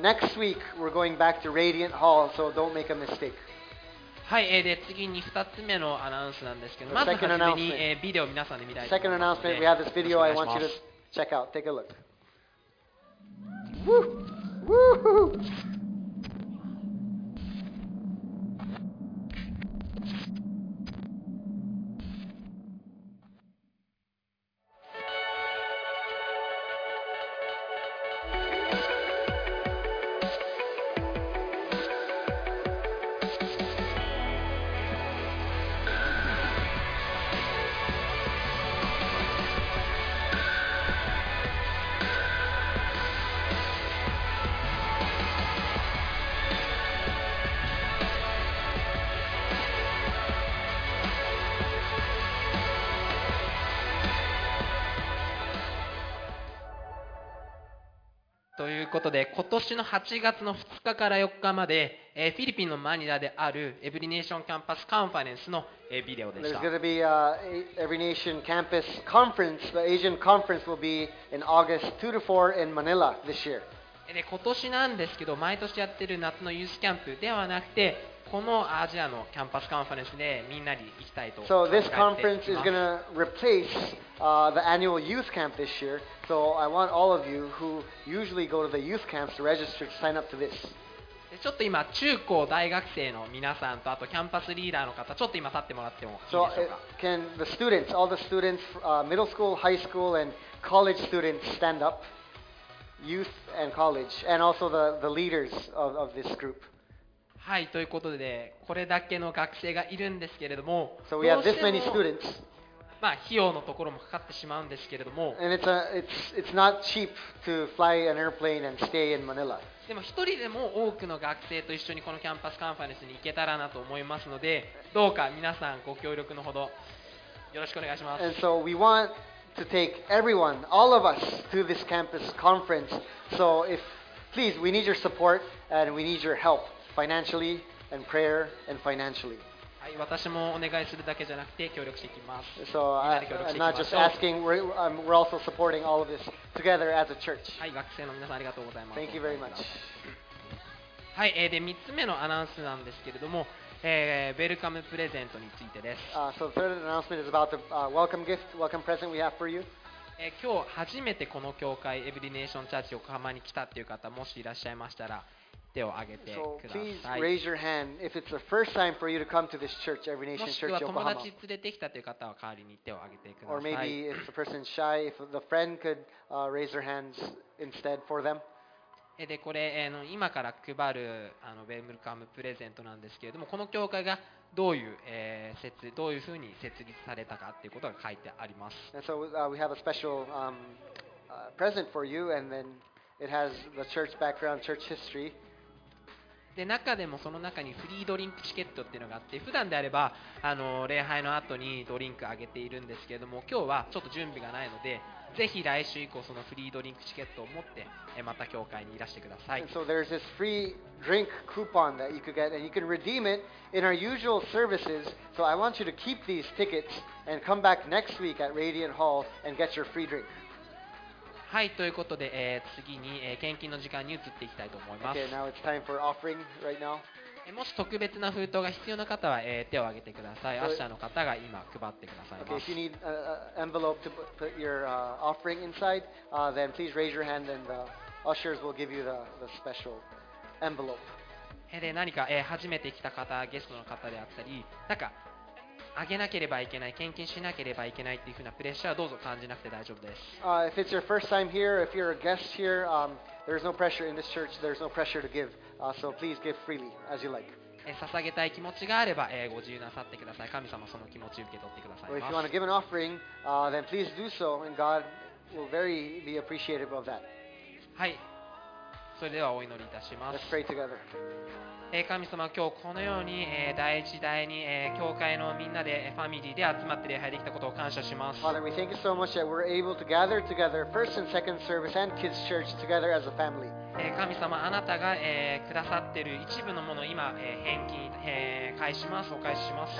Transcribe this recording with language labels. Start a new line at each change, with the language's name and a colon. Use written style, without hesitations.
English: Okay, but next week we're going back to Radiant Hall, so don't make a mistake.
Japanese: はい、で次に2つ目のアナウンスなんですけど、まず初めに、ビデオを皆さんで見たいと思います。
English: Second announcement, we have this video I want you to check out. Take a look.
Japanese: ということで、今年の8月の2日から4日まで、フィリピンのマニラであるエブリネーションキャンパスカンファレンスの、ビデオでした。
English: There's going to be a Every Nation Campus Conference. The Asian Conference will be in August 2-4 in Manila this year.
Japanese: で今年なんですけど、毎年やってる夏のユースキャンプではなくて、このアジアのキャンパスカンファレンスでみんなで行きたいと考えています。
English: So this conference is going to replace, the annual youth camp this year. So I want all of you who usually go to the youth camps to register to sign up to this.
Japanese: ちょっと今中高大学生の皆さんとあとキャンパスリーダーの方ちょっと今立ってもらってもいいでしょうか。
English: So can the students, all the students, middle school, high school, and college students stand up, youth and college, and also the leaders of this group.
Japanese: はい、ということでこれだけの学生がいるんですけれども。
English: So we have this many students.
Japanese: まあ、費用のところもかかってしまうんですけれども。
English: And it's not cheap to fly an airplane and stay in Manila.
Japanese: でも一人でも多くの学生と一緒にこのキャンパスカンファレンスに行けたらなと思いますので、どうか皆さんご協力のほどよろしくお願いします。
English: And so we want to take everyone, all of us, to this campus conference. So if please, we need your support and we need your help financially and prayer and financially.
Japanese: 私もお願いするだけじゃなくて協力していきます。
English: So, I'm not just asking, we're also supporting all of this together as a church.
Japanese: はい、学生の皆さんありがとうございます。
English: Thank you very much.
Japanese: はい、で3つ目のアナウンスなんですけれども、ウェルカムプレゼントについてです。
English: So the third announcement is about the welcome gift, welcome present we have for you.
Japanese: 今日初めてこの教会、エブリネーションチャーチ横浜に来たという方、もしいらっしゃいましたら、手を挙げてください。もしくは友達連れてきたという方は代わりに手を挙げてください。
English: Or maybe if the person's shy, if the friend could raise their hands instead for them.
Japanese: でこれ今から配るウェルカムプレゼントなんですけれども、この教会がどういう、どういうふうに設立されたかということが書いてあります。
English: So, we have a special, present for you, and then it has the church background, church history.
Japanese: で中でもその中にフリードリンクチケットっていうのがあって、普段であれば礼拝の後にドリンクあげているんですけれども、今日はちょっと準備がないので、ぜひ来週以降そのフリードリンクチケットを持ってまた教会にいらしてください。
English: So there's this free drink coupon that you could get, and you can redeem it in our usual services. So I want you to keep these tickets and come back next week at Radiant Hall and get your free drink.
Japanese: はい、ということで、次に、献金の時間に移っていきたいと思います。
English: Okay, now it's time for offering right now.
Japanese: もし特別な封筒が必要な方は、手を挙げてください。アッシャーの方が今配ってくださいます。
English: Okay, if you need an envelope to put your offering inside, then please raise your hand and the ushers will give you the special envelope. で何か、初めて来た方、ゲストの方であったり、なんかあげなければいけない、献金しなければいけないっていうふうなプレッシャーはどうぞ感じなくて大丈夫です。 If it's your first time here, if you're a guest here, there's no pressure in this church. There's no pressure to give. So please give freely as you like.
Japanese: 捧げたい気持ちがあれば、ご自由なさってください。神様その気持ち受け取ってください。
English: If you want to give an offering, then please do so, and God will very be appreciative of that.
Japanese: はい。それではお祈りいたします。
English: Let's pray together.
Japanese: 神様、今日このように第一第二教会のみんなでファミリーで集まって礼拝できたことを感謝します。
English: Father, we thank you so much that we're able to gather together first and second service and kids church together as a family.
Japanese: 神様、あなたがくださっている一部のものを今返金、返します、お返しします。